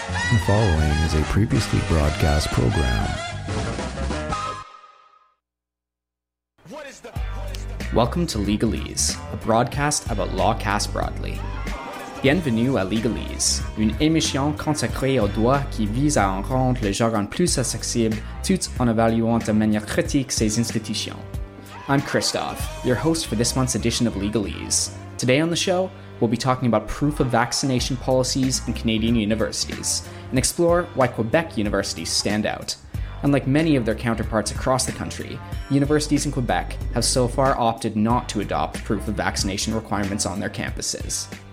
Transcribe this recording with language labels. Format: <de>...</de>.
<en>The following is a previously broadcast program. Welcome to Legalese, a broadcast about law cast broadly.</en> <fr>Bienvenue à Legalese, une émission consacrée aux droits qui vise à en rendre le jargon plus accessible tout en évaluant de manière critique ses institutions.</fr> <en>I'm Christophe, your host for this month's edition of Legalese. Today on the show, we'll be talking about proof of vaccination policies in Canadian universities and explore why Quebec universities stand out. Unlike many of their counterparts across the country, universities in Quebec have so far opted not to adopt proof of vaccination requirements on their campuses.</en>